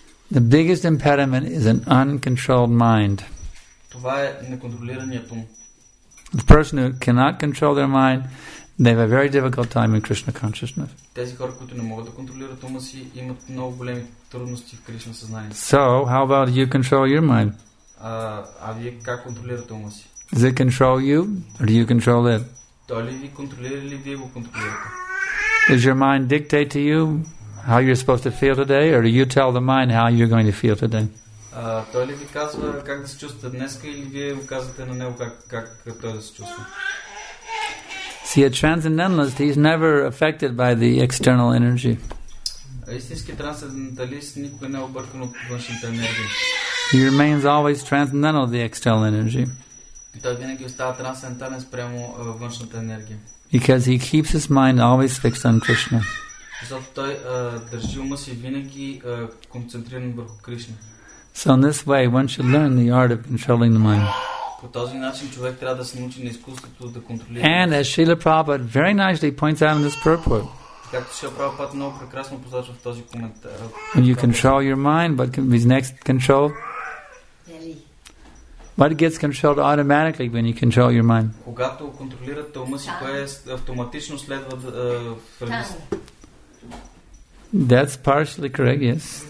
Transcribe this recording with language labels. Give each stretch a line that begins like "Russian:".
English: The biggest impediment is an uncontrolled mind. The person who cannot control their mind, they have a very difficult time in Krishna consciousness.
Bulgarian: Тези хора, които не могат да контролират ума си, имат много големи трудности в Кришна съзнанието.
English: So, how about you control your mind?
Bulgarian: А вие как контролирате ума си?
English: Does it control you, or do you control it?
Bulgarian: Той ли ви контролира или вие го контролирате?
English: Does your mind dictate to you how you're supposed to feel today, or do you tell the mind how you're going to feel today?
Bulgarian: Той ли ви казва как да се чувствате днеска или вие го казвате на него как той да се чувства?
English: See, a transcendentalist, he's never affected by the external energy.
Bulgarian: Истински трансценденталист никога не е объркан от външната енергия.
English: He remains always transcendental to the external energy.
Bulgarian: Той винаги остава трансцендентален спрямо външната енергия.
English: Because he keeps his mind always fixed on Krishna.
Bulgarian: Защото той държи ума си винаги концентриран върху Кришна.
English: So in this way, one should learn the art of controlling the mind.
Bulgarian: По този начин човек трябва да се научи на изкуството да контролира.
English: And as Srila Prabhupada very nicely points out in this purport.
Bulgarian: Както Srila Prabhupada много прекрасно посочва в този коментар.
English: When you control your mind, but his next control? What gets controlled automatically when you control your mind?
Bulgarian: Когато контролирате ума си, кое автоматично следва в ръст?
English: That's partially correct, yes.